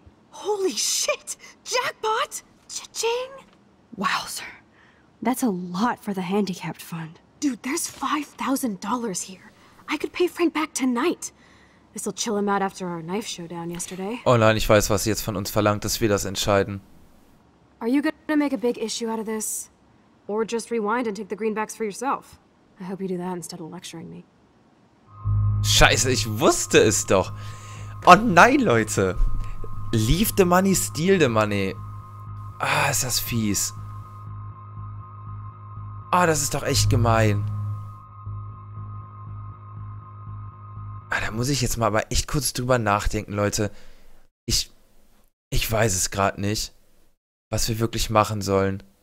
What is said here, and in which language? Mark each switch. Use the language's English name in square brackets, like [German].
[English] Holy shit! Jackpot! Cha-ching! Wowzer. That's a lot for the handicapped fund. Dude, there's $5,000 here. I could pay Frank back tonight. This'll chill him out after our knife showdown yesterday. [German] Oh nein, ich weiß, was sie jetzt von uns verlangt, dass wir das entscheiden. [English] Are you gonna make a big issue out of this? Or just rewind and take the greenbacks for yourself? I hope you do that instead of lecturing me. [German] Scheiße, ich wusste es doch. Oh nein, Leute. [English] Leave the money, steal the money. [German] Ah, ist das fies. Ah, das ist doch echt gemein. Ah, da muss ich jetzt mal aber echt kurz drüber nachdenken, Leute. Ich weiß es gerade nicht, was wir wirklich machen sollen.